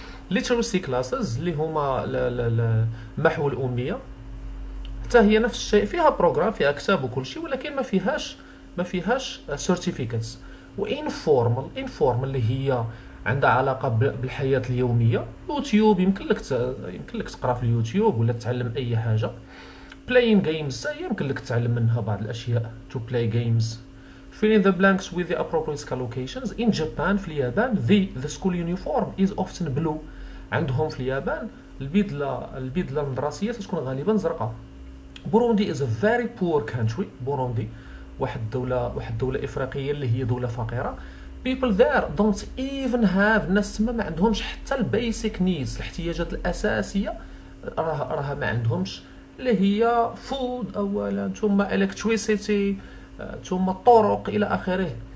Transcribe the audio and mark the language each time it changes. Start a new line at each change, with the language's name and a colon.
Arabic: ليتيرسي كلاسز اللي هما محو الاميه، حتى هي نفس الشيء، فيها بروغرام، فيها كتاب وكل شيء، ولكن ما فيهاش سيرتيفيكاتس. وانفورمال اللي هي عندها علاقه بالحياه اليوميه، يوتيوب، يمكن لك تقرا في اليوتيوب ولا تتعلم اي حاجه. playing games يمكن لك تعلم منها بعض الأشياء.
English: To play games, fill in the blanks with the appropriate school locations. In Japan,
Arabic: في اليابان,
English: the school uniform is often blue.
Arabic: عندهم في اليابان البدلة المدرسية ستكون غالبا زرقاء.
English: Burundi is a very poor country.
Arabic: Burundi واحد دولة إفريقية اللي هي دولة فقيرة.
English: People there don't even have,
Arabic: الناس تما ما عندهمش حتى البيسك نيدز، الاحتياجات الأساسية راها ما عندهمش، اللي هي فود أولا، ثم electricity، ثم الطرق إلى آخره.